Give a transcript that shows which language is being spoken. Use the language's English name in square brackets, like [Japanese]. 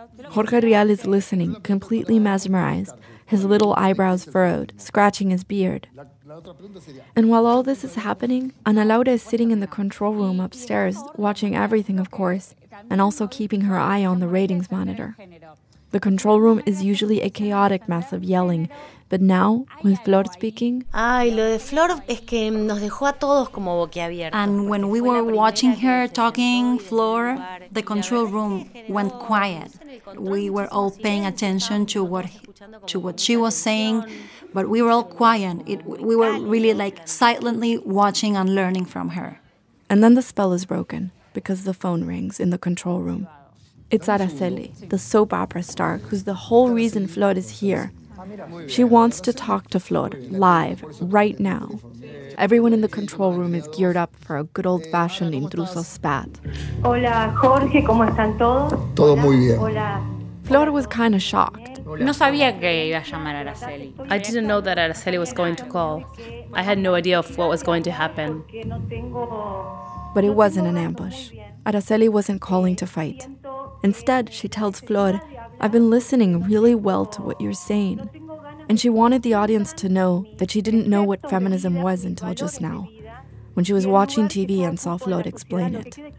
[English] Jorge Rial is listening, completely mesmerized, his little eyebrows furrowed, scratching his beard. And while all this is happening, Ana Laura is sitting in the control room upstairs, watching everything, of course, and also keeping her eye on the ratings monitor. The control room is usually a chaotic mess of yelling, but now, with Flor speaking... [Spanish] Ay, lo de Flor es que nos dejó a todos como boquiabiertos. [English] And when we were watching her talking, Flor, the control room went quiet. We were all paying attention to what she was saying, but we were all quiet. We were really like silently watching and learning from her. And then the spell is broken because the phone rings in the control room. It's Araceli, the soap opera star, who's the whole reason Flor is here. She wants to talk to Flor, live, right now. Everyone in the control room is geared up for a good old-fashioned intruso spat. [Spanish] Hola, Jorge, ¿cómo están todos? Todo muy bien. Hola. [English] Flor was kind of shocked. [Spanish] No sabía que iba a llamar a Araceli. [English] I didn't know that Araceli was going to call. I had no idea of what was going to happen. But it wasn't an ambush. Araceli wasn't calling to fight. Instead, she tells Flor, I've been listening really well to what you're saying. And she wanted the audience to know that she didn't know what feminism was until just now, when she was watching TV and saw Flor explain it.